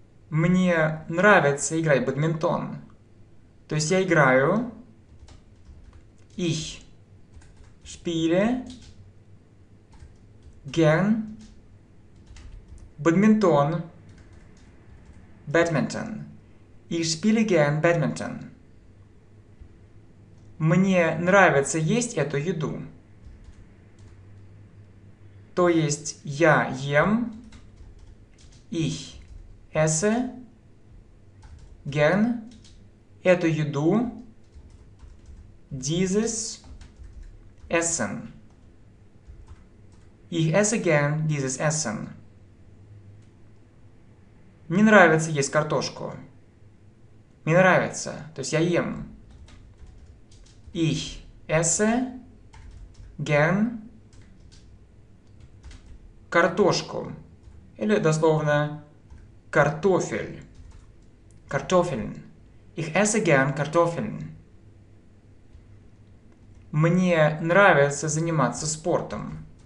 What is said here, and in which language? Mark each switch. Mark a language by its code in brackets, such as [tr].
[ru] Мне нравится играть в бадминтон. То есть я играю. [de] Ich spiele gern бадминтон. Badminton. Ich spiele gern badminton. [ru] Мне нравится есть эту еду. То есть я ем. [de] Ich esse gern [ru] эту еду. [de] Dieses Essen. Ich esse gern dieses Essen. [ru] Мне нравится есть картошку. Мне нравится. То есть я ем. [de] Ich esse gern картошку. [ru] Или дословно картофель. Картофель. [de] Ich esse gern картофель. [ru] Мне нравится заниматься спортом.